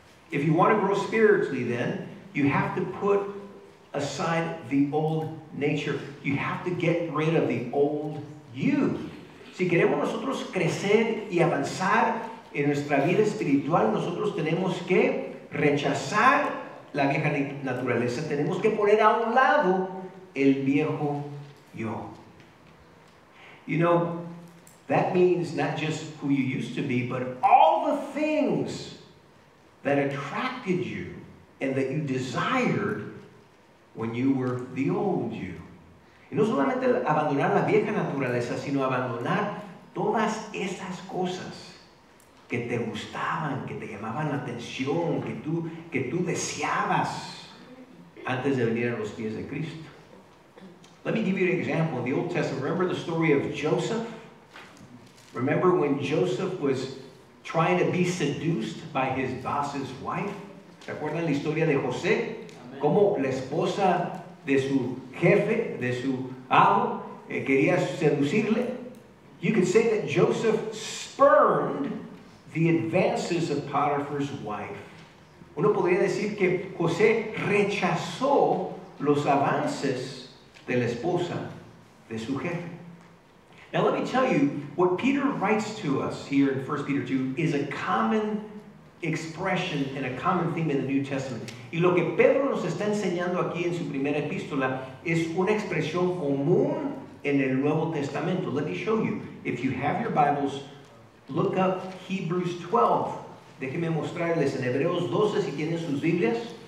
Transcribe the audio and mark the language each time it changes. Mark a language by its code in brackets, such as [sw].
[en] If you want to grow spiritually, then you have to put aside the old nature. You have to get rid of the old you. [es] Si queremos nosotros crecer y avanzar en nuestra vida espiritual, nosotros tenemos que rechazar la vieja naturaleza. Tenemos que poner a un lado el viejo yo. [en] You know, that means not just who you used to be, but all the things that attracted you and that you desired when you were the old you. [es] Y no solamente abandonar la vieja naturaleza, sino abandonar todas esas cosas que te gustaban, que te llamaban la atención, que tú deseabas antes de venir a los pies de Cristo. [en] Let me give you an example. The Old Testament, remember the story of Joseph? Remember when Joseph was trying to be seduced by his boss's wife? [es] ¿Recuerdan la historia de José? Cómo la esposa de su jefe, de su amo, quería seducirle. [en] You could say that Joseph spurned the advances of Potiphar's wife. [es] Uno podría decir que José rechazó los avances de la esposa de su jefe. [en] Now let me tell you, what Peter writes to us here in 1 Peter 2 is a common expression and a common theme in the New Testament. [es] Y lo que Pedro nos está enseñando aquí en su primera epístola es una expresión común en el Nuevo Testamento. [en] Let me show you. If you have your Bibles, look up Hebrews 12. [es] Déjenme mostrarles en Hebreos 12, si tienen sus Biblias.